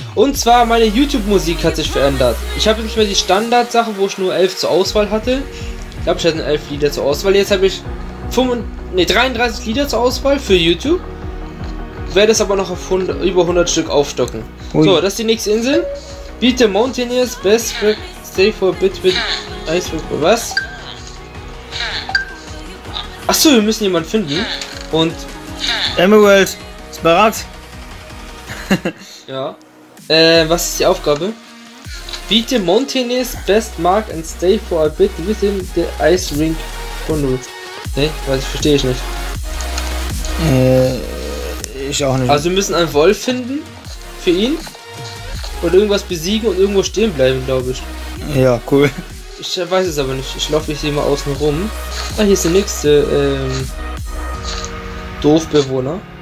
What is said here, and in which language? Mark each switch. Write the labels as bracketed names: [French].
[German] Und zwar, meine YouTube-Musik hat sich verändert. Ich habe nicht mehr die Standard-Sache, wo ich nur 11 zur Auswahl hatte. Ich glaube, ich hatte 11 Lieder zur Auswahl. Jetzt habe ich 33 Lieder zur Auswahl für YouTube. Werde es aber noch auf 100, über 100 Stück aufstocken. Ui. So, das ist die nächste Insel. [English] Beat the Mountaineers, Best Break. Stay for a bit with Iceberg, was? [German] Achso, wir müssen jemanden finden. Und. Emerald, ist bereit. Ja. Was ist die Aufgabe? [English] Beat the Mountaineers, Best Mark and Stay for a bit within the Ice Ring Bundle. [German] Ne, weiß ich, verstehe ich nicht. Ich auch nicht. Also, wir müssen einen Wolf finden. Für ihn. Und irgendwas besiegen und irgendwo stehen bleiben, glaube ich. Ja, cool. Ich weiß es aber nicht. Ich laufe hier mal außen rum. Ah, hier ist der nächste Doofbewohner.